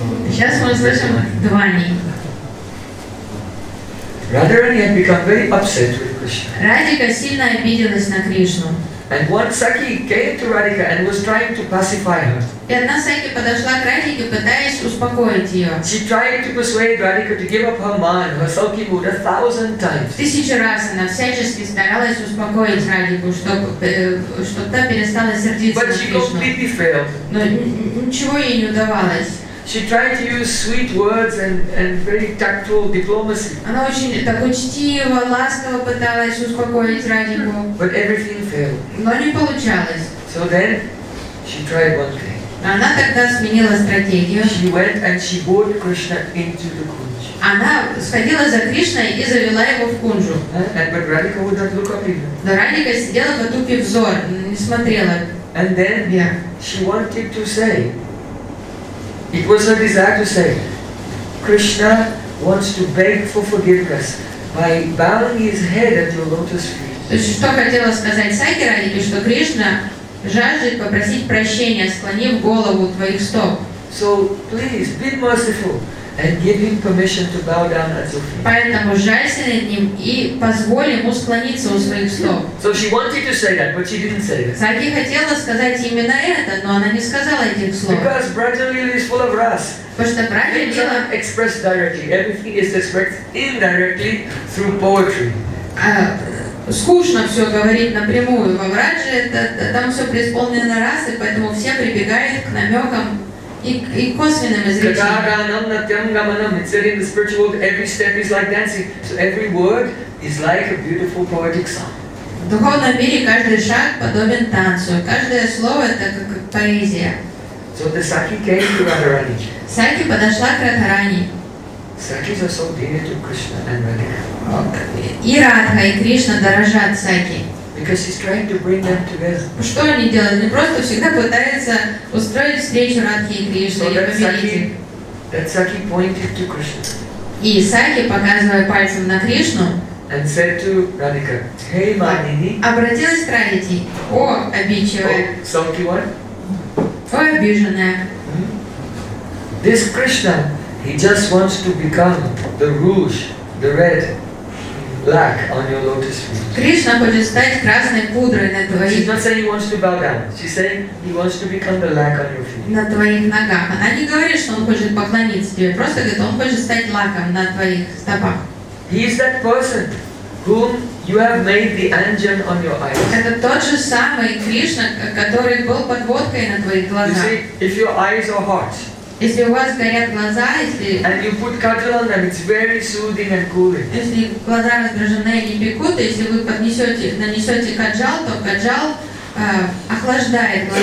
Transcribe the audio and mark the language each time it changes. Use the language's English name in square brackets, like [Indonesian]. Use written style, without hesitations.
[Russian] сейчас мы услышим двани. [English] Radharani had become very upset with Krishna. [Russian] Радика сильно обиделась на Кришну. [English] And one Sakhi came to Radhika and was trying to pacify her. [Russian] И одна Сакхи подошла к Радике, пытаясь успокоить ее. [English] She tried to persuade Radhika to give up her mind, her sulky mood, 1,000 times. [Russian] Тысячу раз она всячески старалась успокоить Радику, чтоб та перестала сердиться на Кришну. [English] But she completely failed. [Russian] Но ничего ей не удавалось. [English] She tried to use sweet words and very tactful diplomacy. [Russian] Она очень так учтиво, ласково пыталась успокоить Радику. [English] But everything failed. [Russian] Но не получалось. [English] So then she tried one thing. [Russian] Она тогда сменила стратегию. [English] She went and she brought Krishna into the kunj. [Russian] Она сходила за Кришной и завела его в кунжу. [English] But Radhika would not look up even. [Russian] Но Радика сидела потупив взор, не смотрела. [English] And then she wanted to say. It was her desire to say, Krishna wants to beg for forgiveness by bowing his head at your lotus feet. [Russian] Что хотела сказать Сакхи Радике, что Кришна жаждет попросить прощения, склонив голову твоих стоп. [English] So please be merciful and give him permission to bow down at your feet. [Russian] Поэтому жалься над ним и позволь ему склониться у своих стоп. [English] So she wanted to say that, but she didn't say it. [Russian] Сакхи хотела сказать именно это, но она не сказала этих слов. [English] Because Brajalila is full of ras. [Russian] Потому что Брайджалила [English] expressed directly. Everything is expressed indirectly through poetry. [Russian] Скучно все говорить напрямую. Во Врадже там все преисполнено расы, поэтому все прибегают к намекам. И косвенным изречением. [English] It's in the spiritual world. Every step is like dancing. So every word is like a beautiful poetic song. [Russian] В духовном мире каждый шаг подобен танцу. Каждое слово это как поэзия. [English] So the Sakhi came to Radharani. [Russian] Сакхи подошла к Радхарани. [English] Sakhis are so dear to Krishna and Radhika. [Russian] И Радха, и Кришна дорожат Сакхи. [English] Because he's trying to bring them together. [Russian] Что они делают? Они просто всегда пытаются устроить встречу Радхи и Кришны, и победить. [English] That Sakhi pointed to Krishna. [Russian] И Сакхи, показывая пальцем на Кришну, [English] and said to Radhika, Hey, Manini. [Russian] Обратилась к Радхи. О, обидчивая. [English] Oh, sulky one. [Russian] Ой, обиженная. [English] This Krishna, he just wants to become the rouge, the red. Lack on your lotus feet. [Russian] Кришна хочет стать красной пудрой на твоих. [English] She's not saying he wants to bow down. She's saying he wants to become the lack on your feet. [Russian] На твоих ногах. Она не говорит, что он хочет поклониться тебе. Просто говорит, он хочет стать лаком на твоих стопах. [English] He is that person whom you have made the anjan on your eyes. [Russian] Это тот же самый Кришна, который был подводкой на твоих глазах. [English] You see, if your eyes are hot. [Russian] Если у вас горят глаза, если [English] and you put kajal on them, it's very soothing and cooling. [Russian] Если глаза раздражены и не пекут, если вы поднесете, нанесете каджал, то каджал охлаждает глаза.